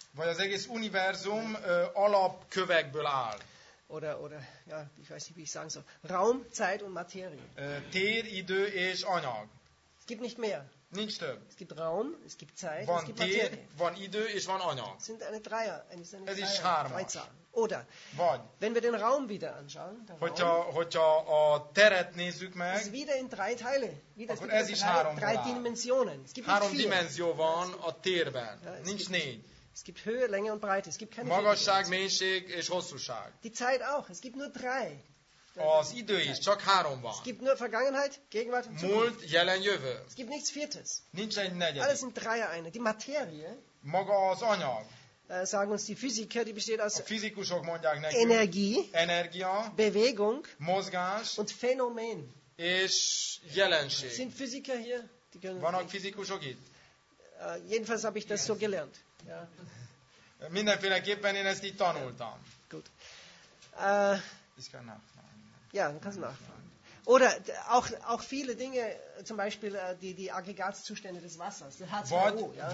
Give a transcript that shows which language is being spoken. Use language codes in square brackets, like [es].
[hu] Vagy az egész univerzum alapkövekből áll. [de] Oder ja, ich weiß nicht, wie ich sagen soll. Raum, Zeit und Materie. [hu] Tér, idő és anyag. [de] Es gibt nicht mehr. [hu] Nincs több. [de] Es gibt Raum, es gibt Zeit, [hu] van [de] es gibt Materie. [hu] Van idő és van anyag. [de] Es sind eine Dreier, [hu] ez is hármas. [de] Oder, [hu] vagy, [de] wenn wir den Raum wieder anschauen, [hu] hogyha a teret nézzük meg, [de] ist wieder in drei Teile, wieder [hu] akkor ez is három [de] drei Dimensionen. Es gibt [hu] három dimenzió van a térben, ja, nincs négy. [de] Es gibt Höhe, Länge und Breite, es gibt keine [hu] Magasság, mélység és hosszúság. [de] Die Zeit auch, es gibt nur drei. [hu] Az idő is, csak három van. [de] Es gibt nur Vergangenheit, Gegenwart und Zukunft. [hu] Múlt, jelen, jövő. [de] Es gibt nichts Viertes. [hu] Nincs egy negyedik. [de] Alles sind Dreier eine. Die Materie, [hu] maga az anyag, [de] sagen uns die Physiker, die besteht aus [hu] a fizikusok mondják nekünk, [de] Energie, [hu] energia, [de] Bewegung, [hu] mozgás [de] und Phänomen. [hu] És jelenség. [de] Sind Physiker hier? Die können [hu] vannak fizikusok itt? [de] Jedenfalls habe ich das so gelernt. Ja. [hu] Mindenféleképpen én ezt így tanultam. [de] Gut. Ich kann nachfragen. Ja, dann kannst du nachfragen. Oder auch viele Dinge, zum Beispiel die Aggregatzustände des Wassers, der H2O.